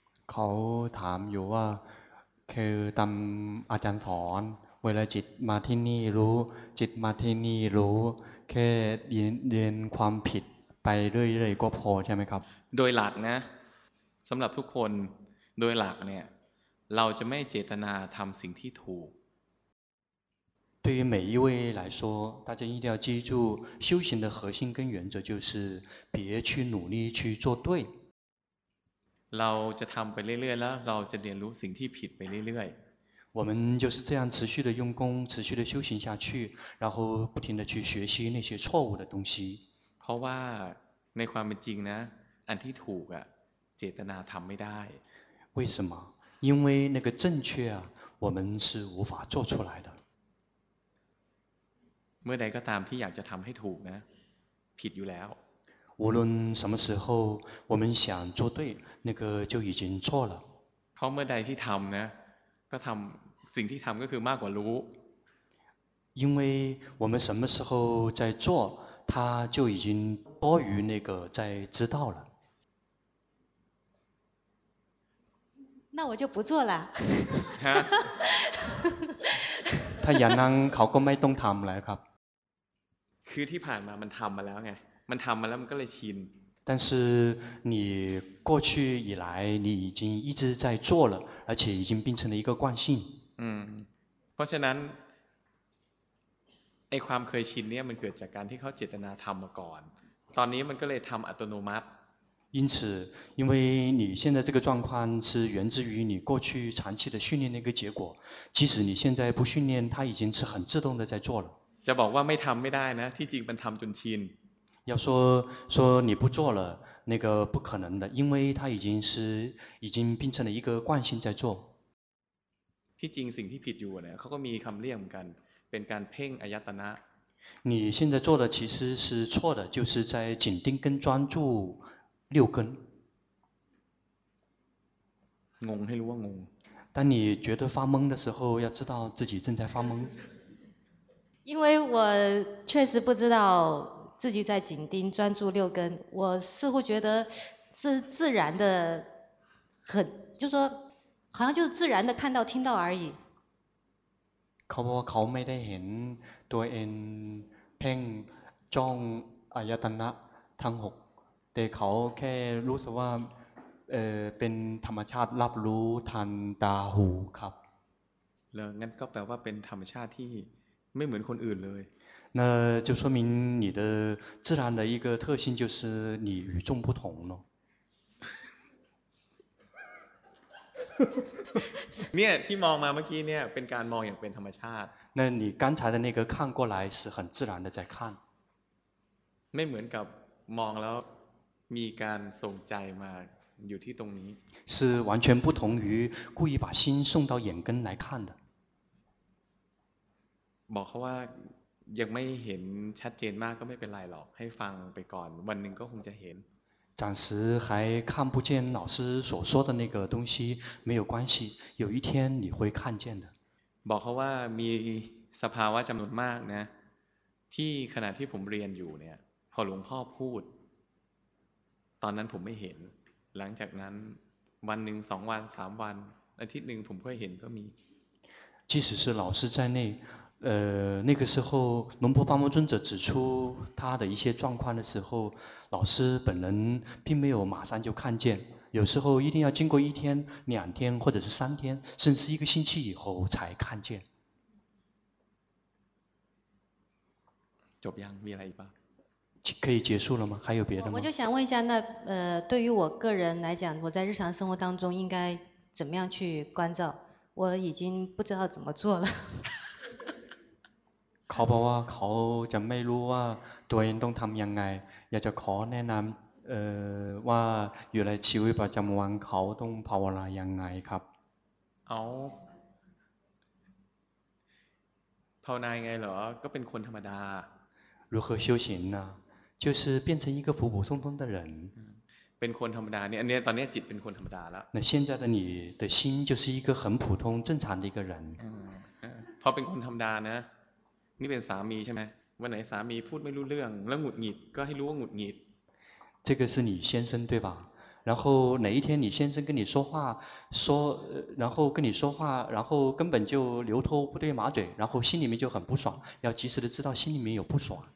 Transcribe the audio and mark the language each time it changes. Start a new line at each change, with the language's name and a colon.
Thai: เขาถามอยู่ว่าคือตามอาจารย์สอนเวลาจิตมาที่นี่รู้จิตมาที่นี่รู้แค่เรียนความผิดไปเรื่อยๆก็พอใช่ไหมครับ โดยหลักนะสำหรับทุกคนโดยหลักเนี่ยเราจะไม่เจตนาทำสิ่งที่ถูก
Chinese: 对于每一位来说大家一定要记住修行的核心跟原则就是别去努力去做对
Thai: เราจะทำไปเรื่อยๆแล้วเราจะเรียนรู้สิ่งที่ผิดไปเรื่อย
Chinese: ๆ我们就是这样持续的用功持续的修行下去然后不停的去学习那些错误的东西
Thai: เพราะว่าในความเป็นจริงนะอันที่ถูกอ่ะเจตนาทำไม่ได้
Chinese: 为什么因为那个正确啊我们是无法做出来的
Thai: เมื่อใดก็ตามที่อยากจะทำให้ถูกนะผิดอยู่แล้ว
Chinese: 无论什么时候我们想做对那个就已经错了
Thai: เพราะเมื่อใดที่ทำนะก็ทำสิ่งที่ทำก็คือมากกว่ารู้
Chinese: 因为我们什么时候在做它就已经多于那个在知道了那我就不做了
Thai: ถ้าอย่างนั้นเขาก็ไม่ต้องทำแล้วครับ คือที่ผ่านมามันทำมาแล้วไงมันทำมาแล้วมันก็เลยชิน
Chinese: 但是你过去以来你已经一直在做了而且已经变成了一个惯性
Thai: เพราะฉะนั้นไอ้ความเคยชินเนี่ยมันเกิดจากการที่เขาเจตนาทำมาก่อนตอนนี้มันก็เลยทำอัตโนมัติ
Chinese: 因此因为你现在这个状况是源自于你过去长期的训练的一个结果即使你现在不训练它已经是很自动的在做了
Thai: จะบอกว่าไม่ทำไม่ได้นะที่จริงมันทำจนชิน
Chinese: 要说你不做了那个不可能的因为它已经变成了一个惯性在做
Thai: ที่จริงสิ่งที่ผิดอยู่เนี่ยเขาก็มีคำเรียกเหมือนกันเป็นการเพ่งอายตนะ
Chinese: 你现在做的其实是错的就是在紧盯跟专注六根
Thai: งงให้รู้ว่างง
Chinese: 当你觉得发懵的时候要知道自己正在发懵因为我确实不知道自己在紧盯专注六根我似乎觉得是自然的很就是说好像就是自然的看到听到而已
Thai: าบอกว่าเขาไม่ได้เห็นตัวเองเพ่งจ้องอายตนะทั้งหกแต่เขาแค่รู้สึกว่าเป็นธรรมชาติรับรู้ทันตาหูครับ แล้วงั้นก็แปลว่าเป็นธรรมชาติที่ไม่เหมือนคนอื่นเลย
Chinese: 那就说明你的自然的一个特性就是你与众不同咯
Thai: เนี่ยที่มองมาเมื่อกี้เนี่ยเป็นการมองอย่างเป็นธรรมชาติ
Chinese: 那你刚才的那个看过来是很自然的在看
Thai: ไม่เหมือนกับมองแล้วมีการส่งใจมาอยู่ที่ตรงนี้
Chinese: 是完全不同于故意把心送到眼根来看的
Thai: บอกเขาว่ายังไม่เห็นชัดเจนมากก็ไม่เป็นไรหรอกให้ฟังไปก่อนวันหนึ่งก็คงจะเห็น
Chinese: 暂时还看不见老师所说的那个东西没有关系有一天你会看见的
Thai: บอกเขาว่ามีสภาวะจำนวนมากนะที่ขณะที่ผมเรียนอยู่เนี่ยพอหลวงพ่อพูดตอนนั้นผมไม่เห็นหลังจากนั้นวันหนึ่งสองวันสามวันอาทิตย์หนึ่งผมก็เห็นก็มี
Chinese: 即使是老师在内那个时候龙婆巴摩尊者指出他的一些状况的时候老师本人并没有马上就看见有时候一定要经过一天两天或者是三天甚至一个星期以后才看见
Thai: จบยังมีอะไรอีกปะ
Chinese: คือ结束了吗还有别的吗我就想问一下那对于我个人来讲我在日常生活当中应该怎么样去关照我已经不知道怎么做了
Thai: เขาบอกว่าเขาจะไม่รู้ว่าตัวเองต้องทำยังไงอยากจะขอแนะนำว่าอยู่ในชีวิตประจำวันเขาต้องภาวนายังไงครับ เอาภาวนายังไงเหรอก็เป็นคนธรรมดา
Chinese: 如何修行呢就是变成一个普普通通的人
Thai: เป็นคนธรรมดาเนี่ยอันนี้ตอนนี้จิตเป็นคนธรรมดาแล้
Chinese: ว那现在的你的心就是一个很普通正常的一个人
Thai: พอเป็นคนธรรมดานะนี่เป็นสามีใช่ไหมวันไหนสามีพูดไม่รู้เรื่องแล้วหงุดหงิดก็ให้รู้ว่าหงุดหงิด
Chinese: 这个是你先生对吧然后哪一天你先生跟你说话说然后跟你说话然后根本就牛头不对马嘴然后心里面就很不爽要及时的知道心里面有不爽